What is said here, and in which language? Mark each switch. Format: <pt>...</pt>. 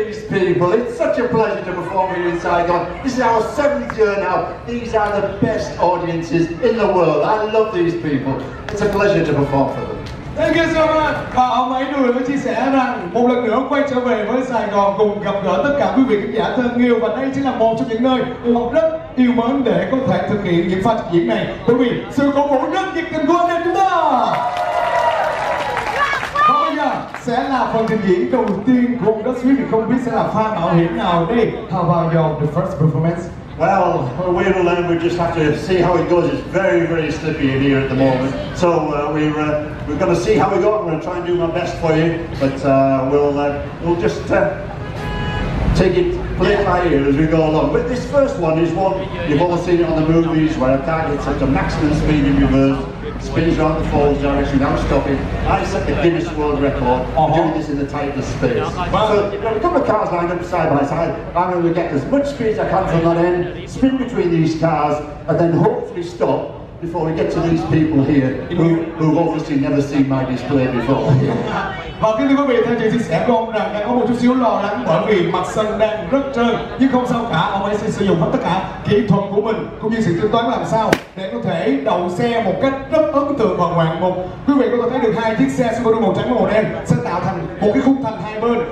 <en>People, it's such a pleasure to perform here in Saigon. This is our 7th year now. These are the best audiences in the world. I love these people. It's a pleasure to perform for them. Thank you so much.</en> <vi>Và họ mấy người mới chia sẻ rằng một lần nữa quay trở về với Sài Gòn cùng gặp gỡ tất cả quý vị khán giả thân yêu, và đây chính là một trong những nơi họ rất yêu mến để có thể thực hiện những pha trình diễn này. Bởi vì sự cổ vũ rất nhiệt tình của anh em chúng ta. Sẽ là phần trình diễn đầu tiên của Russ Viet, thì không biết sẽ là pha mạo hiểm nào đây.</vi> <en>How about your the first performance? Well, we will learn. We just have to see how it goes. It's very, very slippy in here at the moment. So we're going to see how we go. I'm going to try and do my best for you, but we'll just take it, play it by ear as we go along. But this first one is one you've all seen it on the movies where a car gets up to maximum speed in reverse, spins around the falls direction, now stopping. I set the Guinness World Record doing this in the tightest space. So you've got a couple of cars lined up side by side. I'm going to get as much speed as I can from that end, spin between these cars, and then hopefully stop before we get to these people here who've obviously never seen my display before.</en> <vi>Và kính thưa quý vị, theo chị chia sẻ của ông rằng đang có một chút xíu lo lắng bởi vì mặt sân đang rất trơn. Nhưng không sao cả, ông ấy sẽ sử dụng hết tất cả kỹ thuật của mình cũng như sự tính toán làm sao để có thể đậu xe một cách rất ấn tượng và ngoạn mục. Quý vị có thể thấy được hai chiếc xe Subaru màu trắng và màu đen sẽ tạo thành một cái khung thành hai bên.</vi>